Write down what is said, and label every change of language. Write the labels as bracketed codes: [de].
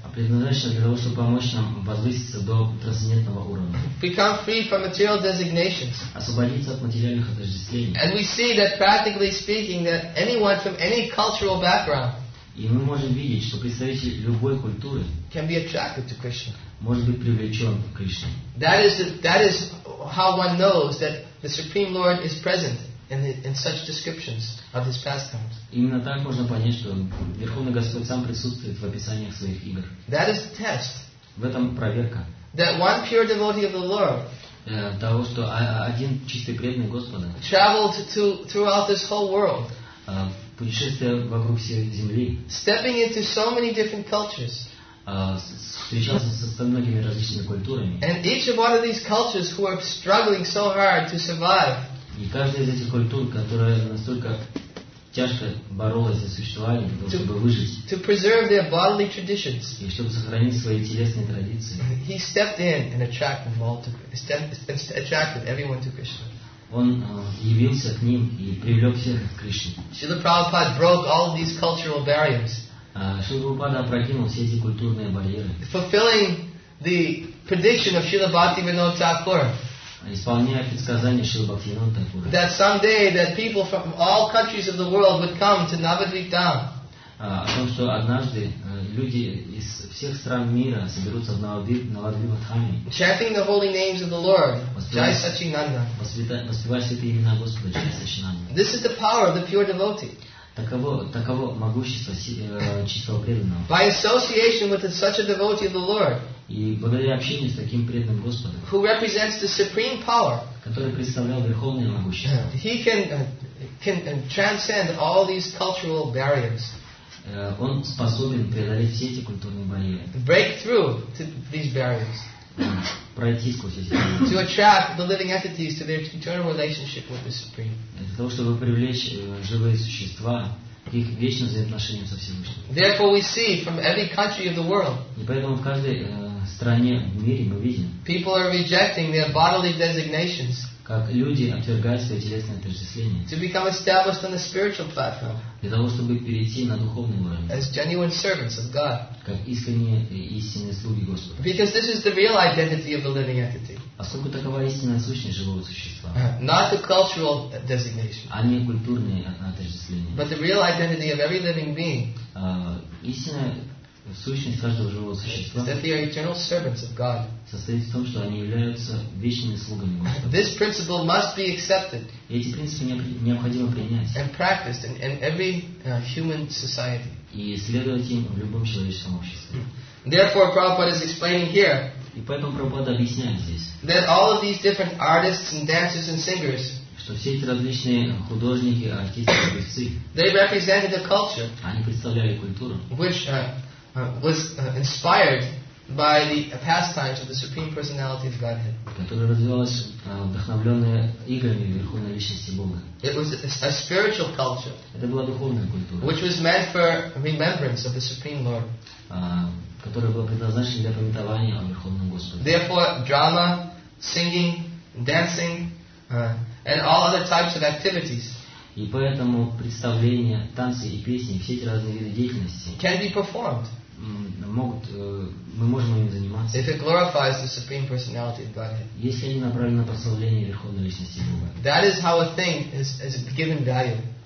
[ru] Предназначена для того, чтобы помочь нам возвыситься до трансцендентного уровня. [en] Become free from material designations. [ru] Освободиться от материальных отождествлений. [en] And we see that, practically speaking, that anyone from any cultural background. [ru] И мы можем видеть, что представитель любой культуры [en] can be attracted to Krishna. [ru] Может быть привлечен к Кришне. [en] That is how one knows that the Supreme Lord is present. In such descriptions of his pastimes. [ru] Именно так можно понять, что Верховный Господь сам присутствует в описаниях своих игр. [en] That is the test. [ru] В этом проверка. [en] That one pure devotee of the Lord. [ru] Того, что один чистый преданный Господа. [en] Traveled to throughout this whole world. [ru] Путешествовал вокруг всей земли. [en] Stepping into so many different cultures. [ru] Встречался со многими различными культурами. [en] And each of one of these cultures who are struggling so hard to survive. [ru] И каждая из этих культур, которая настолько тяжко боролась за существование, чтобы выжить, [en] to preserve their bodily traditions, [ru] и чтобы сохранить свои телесные традиции, [en] he stepped in and attracted all to Krishna. Attracted everyone to Krishna. [ru] Он явился к ним и привлек всех к Кришне. [en] Srila Prabhupada broke all of these cultural barriers. [ru] Srila Prabhupada опрокинул все эти культурные барьеры. [en] Fulfilling the prediction of Srila Bhaktivinoda Thakura. [ru] Исполняя предсказание Шрилы Бхактивинода Тхакура. [en] That someday that people from all countries of the world would come to Navadvip Dham. [ru] О том, что однажды люди из всех стран мира соберутся в Навадвипа Дхаме. [en] Chanting the holy names of the Lord, Jai Sachinanda. [ru] Воспевая святые имена Господа, Jai Sachinanda. [en] This is the power of the pure devotee. [ru] Таково могущество чистого преданного. [en] By association with such a devotee of the Lord. [ru] И благодаря общению с таким преданным Господом, [en] who represents the supreme power, [ru] который представлял верховное могущество, [en] he can transcend all these cultural barriers. [ru] Он способен преодолеть все эти культурные барьеры. [en] Break through to these barriers. [ru] Пройти сквозь эти барьеры. [en] To attract the living entities to their eternal relationship with the supreme. [ru] Для того, чтобы привлечь живые существа. Их вечно взаимоотношения со Всевышним. [en] Therefore, we see from every country of the world. [ru] И поэтому в каждой стране в мире мы видим. [en] People are rejecting their bodily designations. [ru] Как люди отвергают свои телесные отождествления. [en] To become established on the spiritual platform. [ru] Для того, чтобы перейти на духовный уровень. [en] As genuine servants of God. [ru] Как истинные слуги Господа. [en] Because this is the real identity of the living entity. [ru] Поскольку такова истинная сущность живого существа. [en] Not the cultural designation. [ru] А не культурные отождествления. [en] But the real identity of every living being. [ru] Истинная сущность каждого живого существа. [en] That they are eternal servants of God. [ru] Состоит в том, что они являются вечными слугами Господа. [en] This principle must be accepted. [ru] И эти принципы необходимо принять. [en] And practiced in every human society. [ru] И следовать им в любом человеческом обществе. [en] Therefore, Prabhupada is explaining here. [ru] И поэтому Прабхупада объясняет здесь, [en] that all of these different artists and dancers and singers, [ru] что все эти различные художники, артисты, певцы, [en] they represented a culture, [ru] они представляли культуру, [en] which was inspired by the pastimes of the Supreme Personality of Godhead, [ru] которая развивалась вдохновленная играми Верховной Личности Бога. [en] It was a spiritual culture, [ru] это была духовная культура, [en] which was meant for remembrance of the Supreme Lord. [ru] Которое было предназначено для памятования о Верховном Господе. [en] Therefore, drama, singing, dancing, and all other types of activities. [ru] И поэтому представления, танцы и песни, все эти разные виды деятельности [en] can be performed. [ru] Мы можем ими заниматься. [en] If it glorifies the Supreme Personality of Godhead. [ru] Если они направлены на прославление Верховной Личности Бога. [en] That is how a thing is given value.